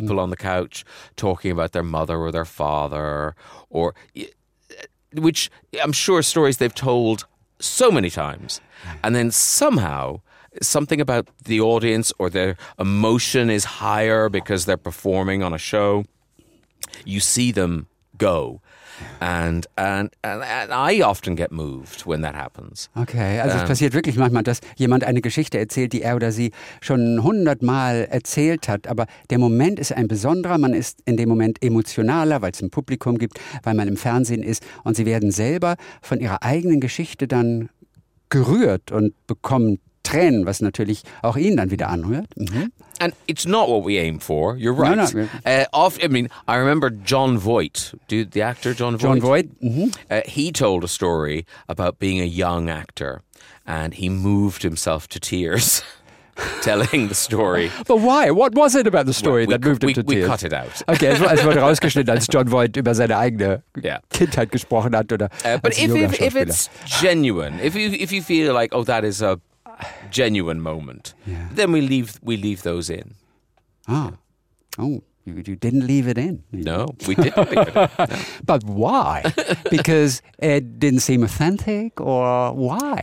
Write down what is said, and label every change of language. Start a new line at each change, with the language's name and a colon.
English: people on the couch talking about their mother or their father, or which I'm sure stories they've told so many times, and then somehow something about the audience or their emotion is higher because they're performing on a show. You see them go, and I often get moved when that happens.
German: Okay, also es passiert wirklich manchmal, dass jemand eine Geschichte erzählt, die er oder sie schon 100-mal erzählt hat, aber der Moment ist ein besonderer, man ist in dem Moment emotionaler, weil es ein Publikum gibt, weil man im Fernsehen ist und sie werden selber von ihrer eigenen Geschichte dann gerührt und bekommen Tränen, was natürlich auch ihn dann wieder anrührt. Mhm.
English: And it's not what we aim for, you're right. No, I remember John Voight, the actor John Voight. John Voight. Mm-hmm. He told a story about being a young actor and he moved himself to tears telling the story. But why? What was it about the story that moved him to tears? We cut it out.
German: Okay, es wurde rausgeschnitten, als John Voight über seine eigene Kindheit gesprochen hat. Oder
English: but if it's genuine, if you feel like, oh, that is a genuine moment. Yeah. Then we leave those in. Ah. Yeah. Oh, you didn't leave it in. No, we didn't leave it in. No. But why? Because it didn't seem authentic or why?